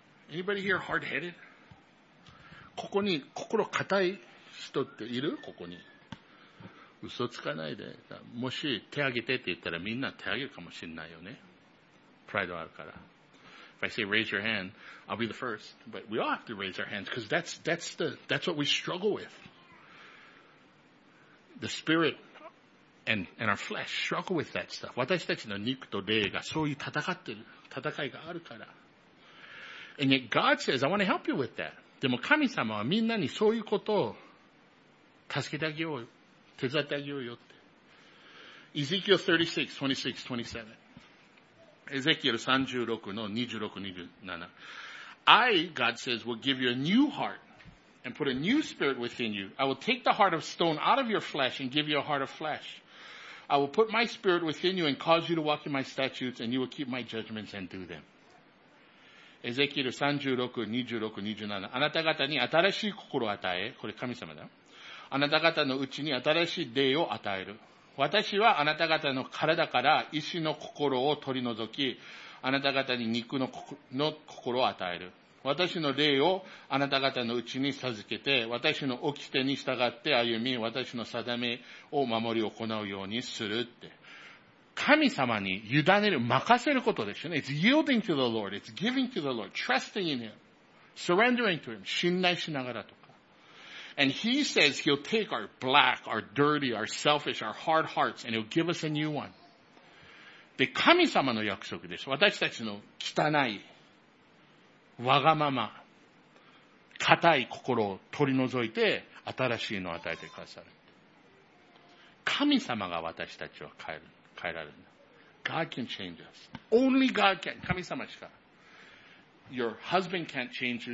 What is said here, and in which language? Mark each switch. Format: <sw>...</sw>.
<en>Anybody here hard-headed?</en> <ja>ここに心硬い人っている？ここに。嘘つかないで。もし手挙げてって言ったらみんな手挙げるかもしれないよね。プライドあるから。</ja> <en>If I say raise your hand, I'll be the first. But we all have to raise our hands because that's what we struggle with. The spirit and our flesh struggle with that stuff.</en> <ja>私たちの肉と霊がそういう戦いがあるから。</ja> <en>And yet God says, I want to help you with that.</en> <ja>でも神様はみんなにそういうことを助けてあげようよ。手伝ってあげようよって。</ja> <en>Ezekiel 36, 26, 27. Ezekiel 36の26, 27. I, God says, will give you a new heart. And put a new spirit within you. I will take the heart of stone out of your flesh and give you a heart of flesh. I will put my spirit within you and cause you to walk in my statutes and you will keep my judgments and do them. Ezekiel 36, 26, 27.</en> <ja>あなた方に新しい心を与え、これ神様だ。あなた方のうちに新しい霊を与える。私はあなた方の体から意志の心を取り除き、あなた方に肉の心を与える。私の霊をあなた方のうちに授けて、私の掟に従って歩み、私の定めを守り行うようにするって。神様に委ねる、任せることですよね。</ja> <en>It's yielding to the Lord. It's giving to the Lord. Trusting in Him. Surrendering to Him.</en> <ja>信頼しながらとか。</ja> <en>And He says He'll take our black, our dirty, our selfish, our hard hearts and He'll give us a new one.</en> <ja>で、神様の約束です。私たちの汚い、わがまま、硬い心を取り除いて、新しいのを与えてくださる。神様が私たちを変えられる。</ja> <en>God can change us. Only God can.</en> <ja>神様しか。</ja> <en>Your husband can't change you.</en>